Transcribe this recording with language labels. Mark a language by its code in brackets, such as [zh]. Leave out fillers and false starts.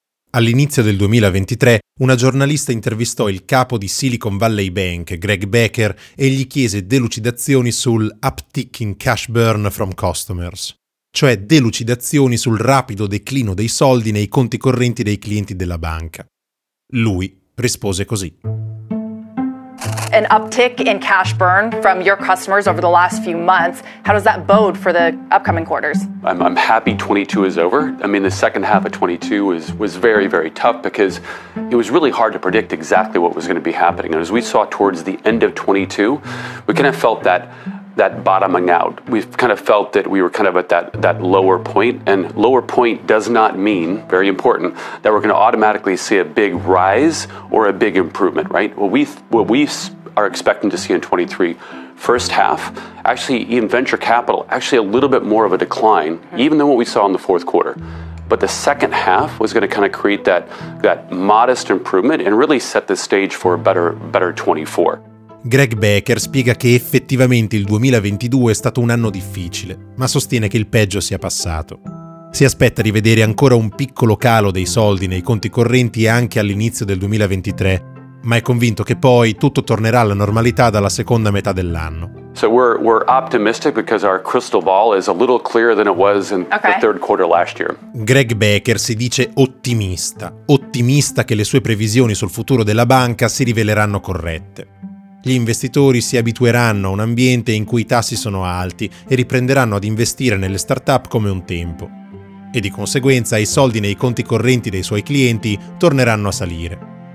[it] All'inizio del 2023, una giornalista intervistò il capo di Silicon Valley Bank, Greg Becker, e gli chiese delucidazioni sul [en] uptick in cash burn from customers, [it] cioè delucidazioni sul rapido declino dei soldi nei conti correnti dei clienti della banca. Lui rispose così. [en] An uptick in cash burn from your customers over the last few months. How does that bode for the upcoming quarters? I'm happy 22 is over. I mean, the second half of 22 was very, very tough because it was really hard to predict exactly what was going to be happening. And as we saw towards the end of 22, we kind of felt that bottoming out. We've kind of felt that we were kind of at that lower point, and lower point does not mean, very important, that we're going to automatically see a big rise or a big improvement, right? What we are expecting to see in 23 first half, actually in venture capital, actually a little bit more of a decline even than what we saw in the fourth quarter. But the second half was going to kind of create that modest improvement and really set the stage for a better 24. [it] Greg Becker spiega che effettivamente il 2022 è stato un anno difficile, ma sostiene che il peggio sia passato. Si aspetta di vedere ancora un piccolo calo dei soldi nei conti correnti anche all'inizio del 2023, ma è convinto che poi tutto tornerà alla normalità dalla seconda metà dell'anno. [en] So we're optimistic because our crystal ball is a little clearer than it was in the third quarter last year. [it] Greg Becker si dice ottimista che le sue previsioni sul futuro della banca si riveleranno corrette. Gli investitori si abitueranno a un ambiente in cui i tassi sono alti e riprenderanno ad investire nelle startup come un tempo. E di conseguenza i soldi nei conti correnti dei suoi clienti torneranno a salire.